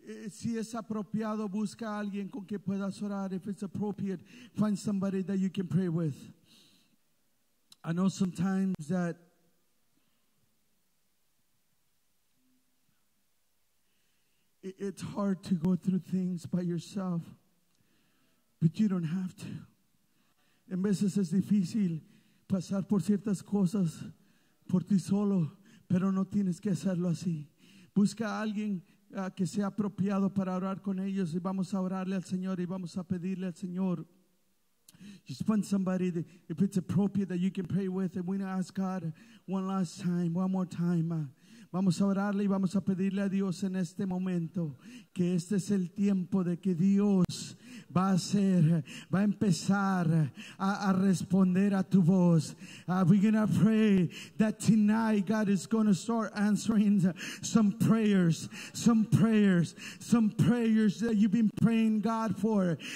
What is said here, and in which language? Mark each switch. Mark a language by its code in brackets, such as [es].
[es] Si es apropiado, busca a alguien con que puedas orar. [en] If it's appropriate, find somebody that you can pray with. I know sometimes that it's hard to go through things by yourself. But you don't have to. [es] En veces es difícil pasar por ciertas cosas por ti solo, pero no tienes que hacerlo así. Busca a alguien que sea apropiado para orar con ellos, y vamos a orarle al Señor y vamos a pedirle al Señor. [en] Just find somebody that, if it's appropriate, that you can pray with, and we're going to ask God one last time, one more time. [es] Vamos a orarle y vamos a pedirle a Dios en este momento que este es el tiempo de que Dios va a ser, va a empezar a responder a tu voz. [en] We're going to pray that tonight God is going to start answering some prayers that you've been praying God for.